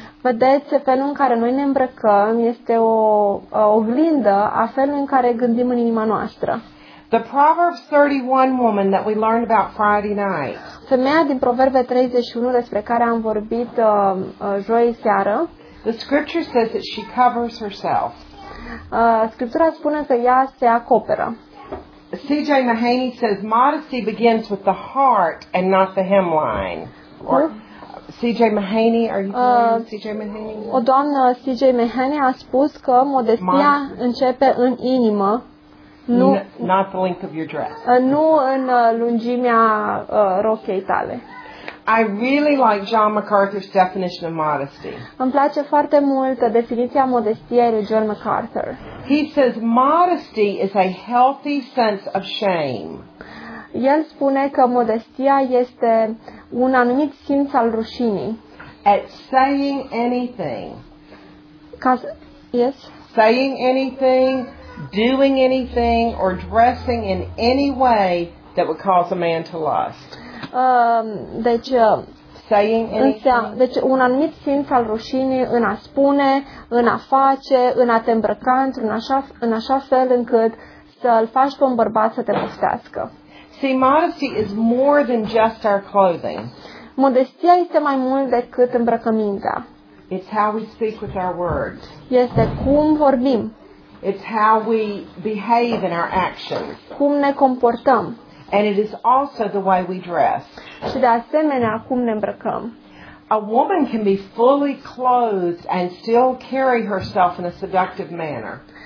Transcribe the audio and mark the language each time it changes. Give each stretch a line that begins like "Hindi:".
Romanian: Vedeți, felul în care noi ne îmbrăcăm este o oglindă a felului în care gândim în inima noastră.
English: The Proverbs 31 woman that we learned about Friday night.
Romanian: Femeia din Proverbe 31 despre care am vorbit joi seară.
English: The scripture says that she covers herself.
Romanian: Scriptura spune că ea se acoperă.
English: C.J. Mahaney says modesty begins with the heart and not the hemline. C.J. Mahaney, are you C.J. Mahaney?
Romanian: O doamnă C.J. Mahaney a spus că modestia începe în inimă. Nu,
English: not the length of your dress.
Romanian: Nu în lungimea rochei tale.
English: I really like John MacArthur's definition of modesty.
Romanian: Îmi place foarte mult definiția modestiei lui John MacArthur.
English: He says modesty is a healthy sense of shame.
Romanian: El spune că modestia este un anumit simț al rușinii.
English: At saying anything. Yes. Saying anything, doing anything or dressing in any way that would cause a man to lust.
Romanian: Deci un anumit simț al rușinii în a spune, în a face, în a te îmbrăca în așa fel încât să îl faci pe un bărbat să te poftească.
English: See, modesty is more than just our clothing.
Romanian: Modestia este mai mult decât îmbrăcămintea.
English: It's how we speak with our words.
Romanian: Este cum vorbim.
English: It's how we behave in our actions.
Romanian: Cum ne comportăm.
English: And it is also the way we dress.
Romanian: Și de asemenea, cum ne îmbrăcăm.
English: A woman can be fully clothed and still carry herself in a seductive manner.